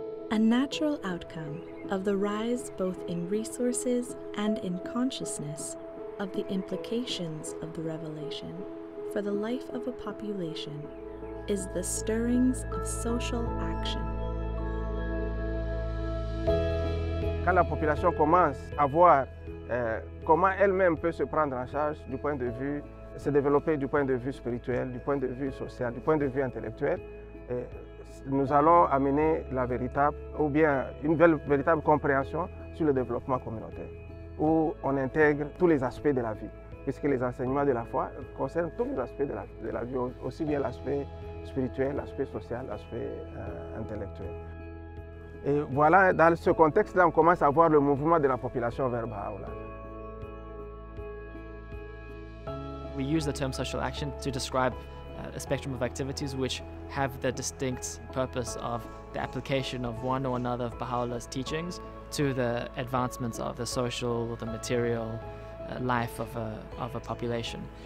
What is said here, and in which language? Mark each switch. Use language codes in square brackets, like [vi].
[en] A natural outcome of the rise both in resources and in consciousness of the implications of the revelation for the life of a population is the stirrings of social action. [fr] Quand la population commence à voir comment elle-même peut se prendre en charge du point de vue, se développer du point de vue spirituel, du point de vue social, du point de vue intellectuel, nous allons amener la véritable, ou bien une véritable compréhension sur le développement communautaire, où on intègre tous les aspects de la vie, puisque les enseignements de la foi concernent tous les aspects de la vie, aussi bien l'aspect spirituel, l'aspect social, l'aspect intellectuel. Et voilà, dans ce contexte-là, on commence à voir le mouvement de la population vers Bahá'u'lláh. [en] We use the term social action to describe a spectrum of activities which have the distinct purpose of the application of one or another of Bahá'u'lláh's teachings to the advancements of the social or the material life of a population.